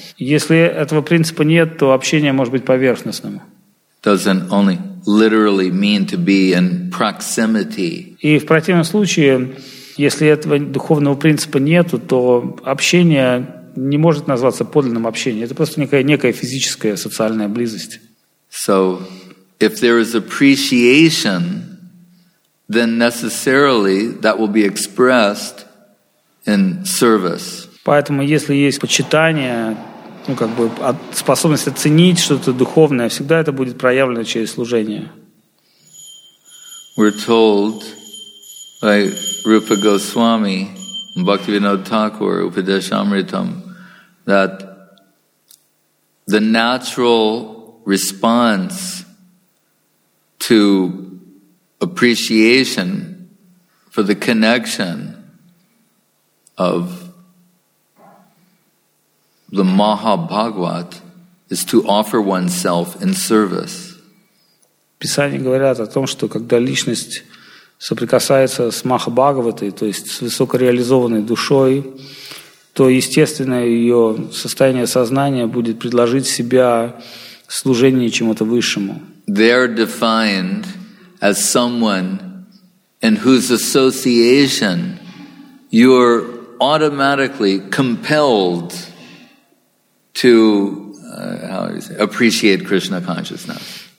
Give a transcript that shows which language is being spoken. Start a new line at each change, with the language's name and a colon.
Russian: Если этого принципа нет, то общение может быть поверхностным.
English: Doesn't only literally mean to be in proximity.
Russian: И в противном случае, если этого духовного принципа нет, то общение не может назваться подлинным общением. Это просто некая физическая социальная близость.
English: So, if there is appreciation, then necessarily that will be expressed in service.
Russian: Поэтому, если есть почитание, ну как бы способность оценить что-то духовное, всегда это будет проявлено через служение.
English: We're told by Rupa Goswami, Bhaktivinoda Thakur, Upadeshamritam, that the natural response to appreciation for the connection of the Mahabhagavat is to offer oneself in service.
Russian: Писания говорят о том, что когда личность соприкасается с Махабхагаватой, то есть с высокореализованной душой, то естественное ее состояние сознания будет предложить себя служению чему-то высшему.
English: They are defined as someone in whose association you are automatically compelled to appreciate Krishna consciousness.